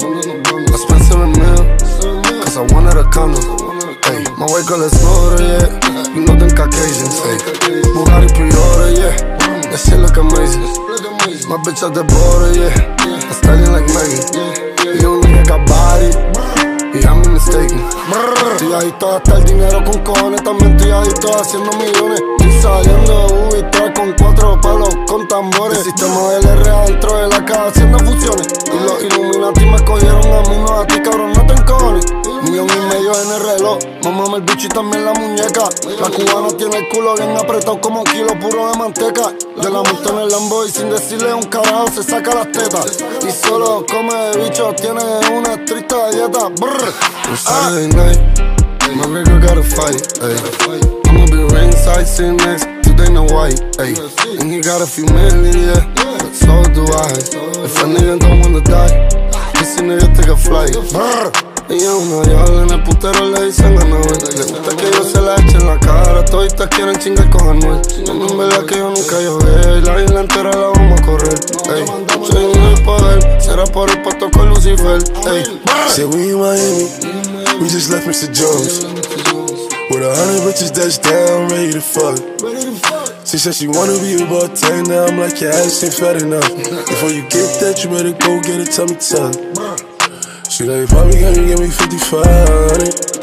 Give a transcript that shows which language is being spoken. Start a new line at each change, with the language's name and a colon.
English: I spent 7 mil, cause I wanted a condo. Ay, my white girl is older, yeah. You know them Caucasians, ay. Bugatti pre-order, yeah. That shit look amazing. My bitch at the border, yeah. I'm styling like Megan. You don't think I got body? Yeah, I'm mistaken.
Spanish: Estoy adicto hasta el dinero con cojones. También estoy adicto haciendo millones. Y saliendo de Ubi, trae con 4 palos con tambores. El sistema del R adentro de la casa haciendo fusiones. Y los Illuminati me cogieron a mí, no a ti, cabrón, no te encojones. 1,000,000 en el reloj. Mámame el bicho y también la muñeca. La cubana tiene el culo bien apretado como un kilo puro de manteca. Yo la monto en el Lambo y sin decirle un carajo se saca las tetas. Y solo come de bicho, tiene una triste dieta.
English: On Saturday night, my nigga got a fight, ayy. I'ma be ringside sitting next to Dana White, ayy. And he got a few million, yeah, but so do I. If a nigga don't wanna die, this nigga take a flight. Brr.
Spanish: Ella es una diabla, en el putero le dicen a Noel. Le gusta que yo se la eche en la cara. Toditas quieren chingar con Anuel. No, en verdad que yo nunca llové. La isla entera la vamos a correr. Ey, soy un poder. Será por el pato con Lucifer. Ey,
English: say we in Miami, we just left Mr. Jones with 100 bitches that's down, ready to fuck. She said she wanna be a bartender. I'm like, your ass ain't fat enough. Before you get that, you better go get a tummy tuck. She like, probably gonna give me 5500.